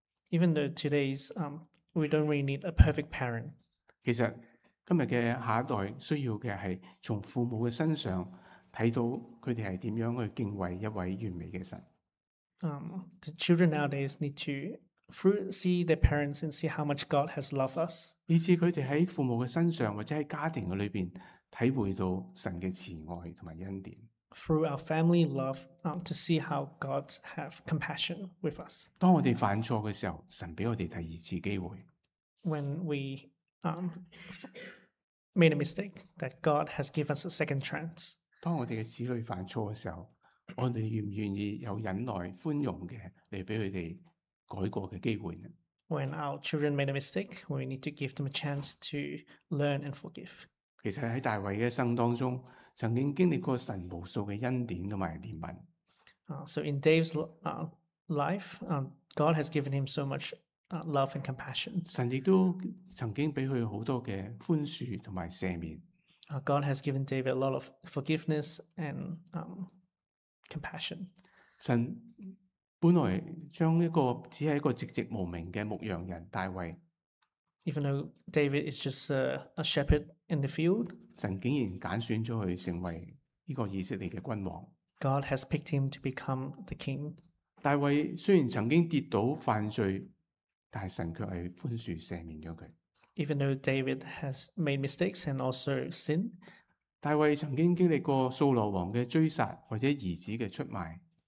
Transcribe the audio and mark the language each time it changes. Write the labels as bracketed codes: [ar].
[en] Even though today's, we don't really need a perfect parent. [zh] 其实今天的下一代需要的是从父母的身上看到他们是怎样去敬畏一位完美的神。 [en] The children nowadays need to see their parents and see how much God has loved us. [zh] 以致他们在父母的身上或者在家庭里面体会到神的慈爱和恩典。 [en] Through our family love, to see how God have compassion with us. [zh] 当我们犯错的时候，神给我们第二次机会。 [en] When we made a mistake, that God has given us a second chance. [zh] 当我们的子女犯错的时候，我们愿不愿意有忍耐、宽容的来给他们改过的机会呢？ [en] When our children made a mistake, we need to give them a chance to learn and forgive. [zh] 其实在大卫的一生当中，曾经经历过神无数的恩典和怜悯。 [en] So in Dave's life, God has given him so much love and compassion. [zh] 神也都曾经给他很多的宽恕和赦免。 [en] God has given David a lot of forgiveness and compassion. [zh] 神本来将一个只是一个籍籍无名的牧羊人大卫， [en] even though David is just a shepherd in the field, [zh] 神竟然拣选了他成为这个以色列的君王。 [en] God has picked him to become the king. [zh] 大卫虽然曾经跌倒犯罪，但神却是宽恕赦免了他。 [en] Even though David has made mistakes and also sinned, [zh] 大卫曾经经历过扫罗王的追杀或者儿子的出卖。